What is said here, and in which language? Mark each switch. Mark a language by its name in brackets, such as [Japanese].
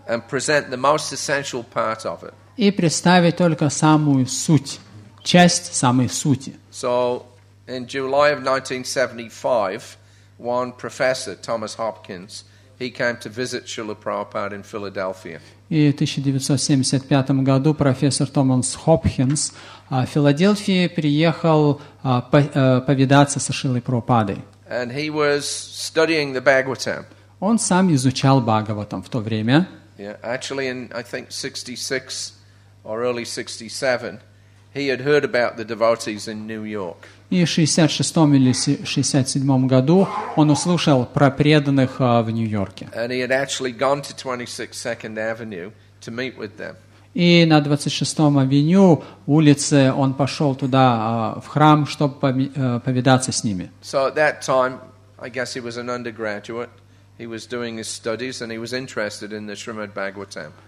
[English] And present the most essential part of it. [Russian] И представить только самую суть, часть самой сути. [English] So, in July of 1975, one professor, Thomas Hopkins, he came to visit Srila Prabhupada in Philadelphia. [Russian] И в 1975 году профессор Томас Хопкинс в Филадельфии приехал повидаться со Шрилой Прабхупадой. [English] And he was studying the Bhagavatam. [Russian] Он сам изучал Бхагаватам в то время. [English] Yeah, actually in I think 66 or early 67, he had heard about the devotees in New York. [Russian] И в 66 или 67 году он услышал про преданных в Нью-Йорке. [English] And he had actually gone to 26 Second Avenue to meet with them. [Russian] И на 26-м авеню улице он пошел туда, в храм, чтобы повидаться с ними. [English] So at that time, I guess he was an undergraduate. He was doing his studies and he was interested in the Srimad Bhagavatam.